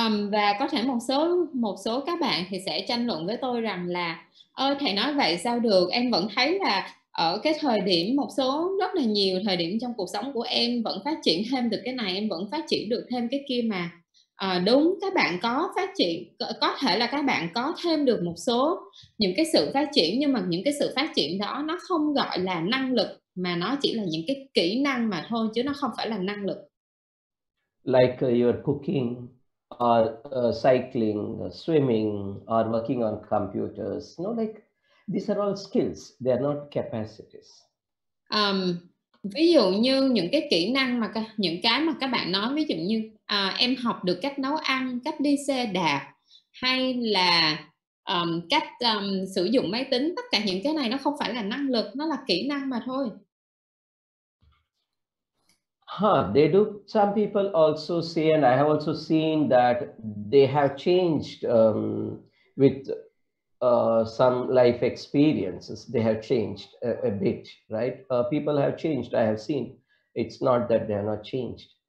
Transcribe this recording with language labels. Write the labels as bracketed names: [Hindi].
[Vietnamese] Và có thể một số các bạn thì sẽ tranh luận với tôi rằng là thầy nói vậy sao được, em vẫn thấy là ở cái thời điểm một số rất là nhiều thời điểm trong cuộc sống của em vẫn phát triển thêm được cái này, em vẫn phát triển được thêm cái kia mà. Đúng, các bạn có phát triển, có thể là các bạn có thêm được một số những cái sự phát triển, nhưng mà những cái sự phát triển đó nó không gọi là năng lực, mà nó chỉ là những cái kỹ năng mà thôi, chứ nó không phải là năng lực. [English] Like your cooking or cycling, swimming, or working on computers. No, like these are all skills, they are not capacities. [Vietnamese] Ví dụ như những cái kỹ năng mà những cái mà các bạn nói, ví dụ như em học được cách nấu ăn, cách đi xe đạp, hay là cách sử dụng máy tính, tất cả những cái này nó không phải là năng lực, nó là kỹ năng mà thôi. [English] They do. Some people also say, and I have also seen that they have changed with some life experiences. They have changed a bit, right? People have changed. I have seen. It's not that they are not changed.